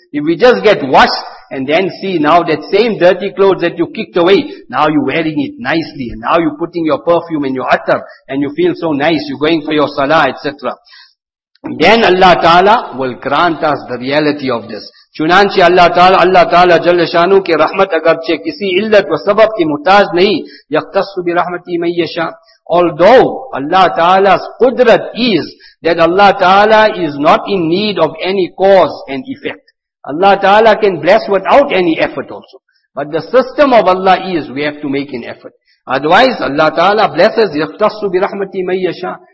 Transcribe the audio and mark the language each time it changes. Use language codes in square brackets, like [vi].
[en] If we just get washed, and then see now that same dirty clothes that you kicked away, now you're wearing it nicely, and now you're putting your perfume in your attar, and you feel so nice, you're going for your salah, etc. Then Allah Ta'ala will grant us the reality of this. [ur] چنانچہ اللہ تعالی جل شانو کے رحمت اگرچہ کسی علت و سبب کی محتاج نہیں [ar] یختص برحمتی من یشاء. [en] Although Allah Ta'ala's قدرت is that Allah Ta'ala is not in need of any cause and effect. Allah Ta'ala can bless without any effort also. But the system of Allah is we have to make an effort. Otherwise Allah Ta'ala blesses [ar] يَخْتَصُ بِرَحْمَتِ مَنْ يَشَاءُ.